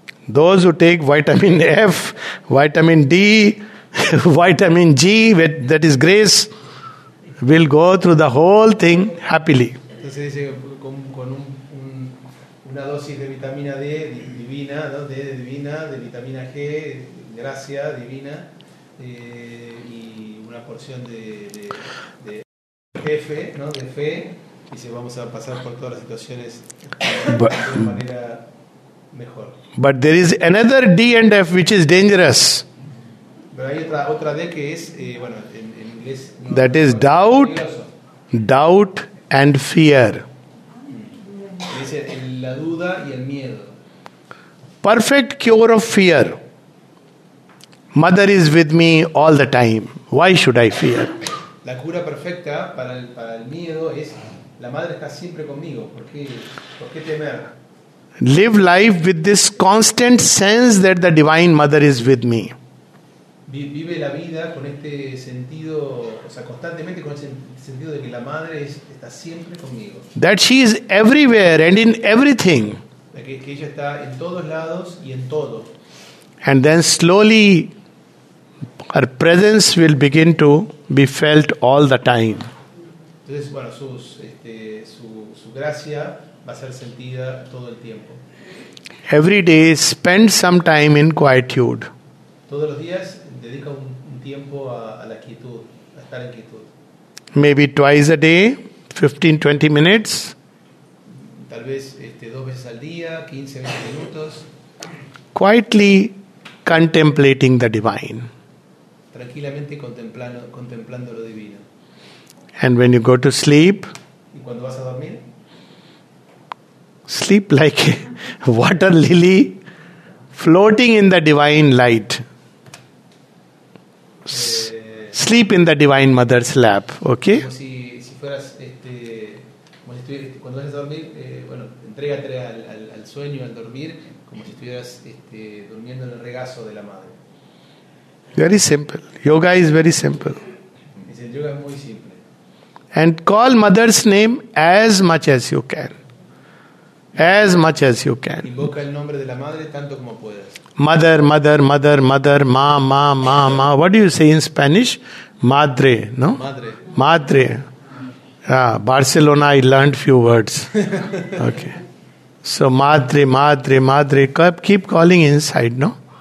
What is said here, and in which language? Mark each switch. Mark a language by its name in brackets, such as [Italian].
[English] Those who take vitamin F, vitamin D, vitamin G, that is grace, will go through the whole thing happily. [Spanish] Entonces dice con una dosis de vitamina D divina, ¿no? Divina, de vitamina G, gracia divina, y una porción de F, ¿no? De fe, y dice vamos a pasar por todas las situaciones de manera mejor. [English] But there is another D and F which is dangerous. [Spanish] Pero hay otra D que es, bueno, en inglés. [English] No, that is doubt, peligroso. Doubt and fear. [Spanish] Dice la duda y el miedo. [English] Perfect cure of fear. Mother is with me all the time. Why should I fear? [Spanish] La cura perfecta para el miedo es la madre está siempre conmigo. ¿Por qué temer? [English] Live life with this constant sense that the Divine Mother is with me. [Spanish] Vive la vida con este sentido, o sea, constantemente con ese sentido de que la madre está siempre conmigo. [English] That she is everywhere and in everything. [Spanish] Que ella está en todos lados y en todo. [English] And then slowly her presence will begin to be felt all the time. [Spanish] Entonces, bueno, su gracia va a ser sentida todo el tiempo. [English] Every day spend some time in quietude. [Spanish] Todos los días dedica un tiempo a la quietud, a estar en quietud. [English] Maybe twice a day, 15-20 minutes. [Spanish] Tal vez dos veces al día, 15-20 minutos. [English] Quietly contemplating the divine. [Spanish] Tranquilamente contemplando lo divino. [English] And when you go to sleep, [Spanish] ¿y cuando vas a dormir? [English] Sleep like a water lily floating in the divine light. Sleep in the divine mother's lap, okay? [Spanish] Como si fueras, como si estuvieras, cuando vayas a dormir, bueno, entrégate al sueño, al dormir, como si estuvieras durmiendo en el regazo de la madre. [English] Very simple. Yoga is very simple. [Spanish] Dice, el yoga es muy simple. [English] And call mother's name as much as you can. As much as you can. [Spanish] Invoca el nombre de la madre tanto como puedas. [English] Mother, mother, mother, mother, ma, ma, ma, ma. What do you say in Spanish? [Spanish] Madre, no? Madre. [English] Madre. Barcelona, I learned few words. Okay. So, madre, madre, madre, keep calling inside, no?